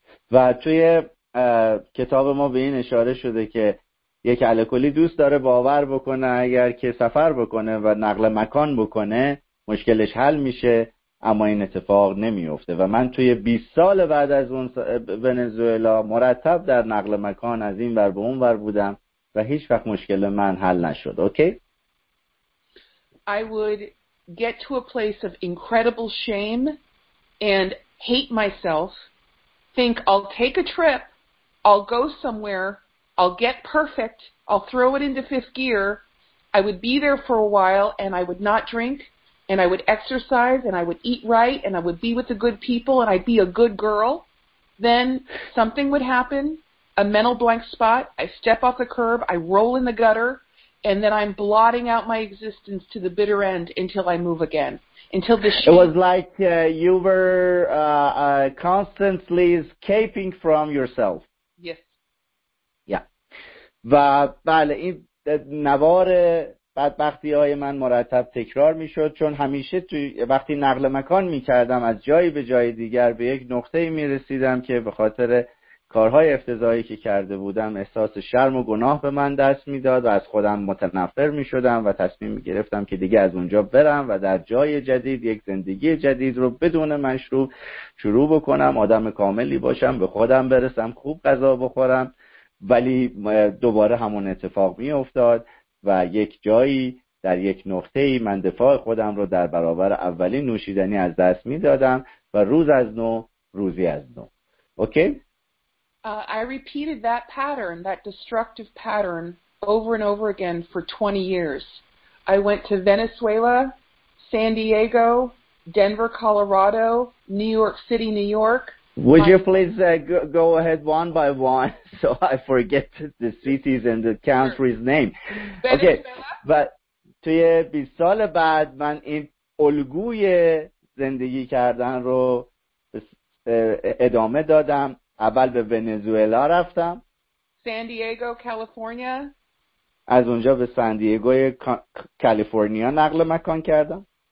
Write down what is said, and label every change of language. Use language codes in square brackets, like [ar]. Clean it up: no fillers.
[fa] و توی کتاب ما به این اشاره شده که یک الکلی دوست داره باور بکنه اگر که سفر بکنه و نقل مکان بکنه مشکلش حل میشه، اما این اتفاق نمیفته و من توی 20 سال بعد از اون ونزوئلا مرتب در نقل مکان از این ور به اون ور بودم و هیچ وقت مشکل من حل نشد. [en] Okay? I would get to a place of incredible shame and hate myself. Think I'll take a trip, I'll go somewhere, I'll get perfect, I'll throw it into fifth gear, I would be there for a while and I would not drink and I would exercise and I would eat right and I would be with the good people and I'd be a good girl. Then something would happen, a mental blank spot, I step off the curb, I roll in the gutter, and then I'm blotting out my existence to the bitter end until I move again. Until the it was like you were constantly escaping from yourself. Yes. Yeah. [fa] و بله این نوار بدبختی های من مرتب تکرار می شد، چون همیشه تو وقتی نقل مکان می کردم از جایی به جای دیگر به یک نقطه می رسیدم که به خاطر کارهای افتضاحی که کرده بودم احساس شرم و گناه به من دست میداد و از خودم متنفر می شدم و تصمیم می گرفتم که دیگه از اونجا برم و در جای جدید یک زندگی جدید رو بدون مشروب شروع بکنم، آدم کاملی باشم، به خودم برسم، خوب غذا بخورم. ولی دوباره همون اتفاق می افتاد و یک جایی در یک نقطه‌ای من دفاع خودم رو در برابر اولین نوشیدنی از دست می دادم و روز از نو روزی از نو. [en] Okay? I repeated that pattern, that destructive pattern, over and over again for 20 years. I went to Venezuela, San Diego, Denver, Colorado, New York City, New York. Would you please go ahead one by one so I forget the cities and the country's name? Okay. But [fa] توی 20 سال بعد من این الگوی زندگی کردن رو ادامه دادم. اول به ونزوئلا رفتم، سان دیگو کالیفرنیا، از اونجا به سان دیگو کالیفرنیا نقل مکان کردم،